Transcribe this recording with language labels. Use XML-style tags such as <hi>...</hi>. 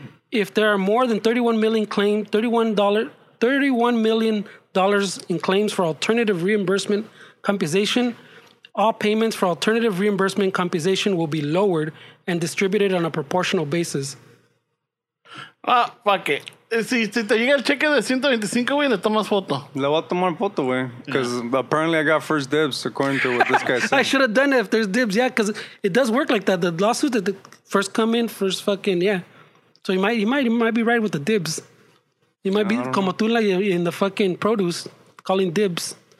<en>If there are more than $31 million in claims for alternative reimbursement compensation, all payments for alternative reimbursement compensation will be lowered and distributed on a proportional basis. Ah, fuck it.</en> <es>Si te llega el cheque de 125, güey, le tomas foto. Le voy a tomar foto, güey.</es> <en>Because apparently I got first dibs, according to what this guy said. I should have done it if there's dibs, yeah, because it does work like that. The lawsuit that first come in, first fucking, yeah. So you might be right with the dibs. You might be</en> <es>como tú</es> <en>in the fucking produce, calling dibs.</en>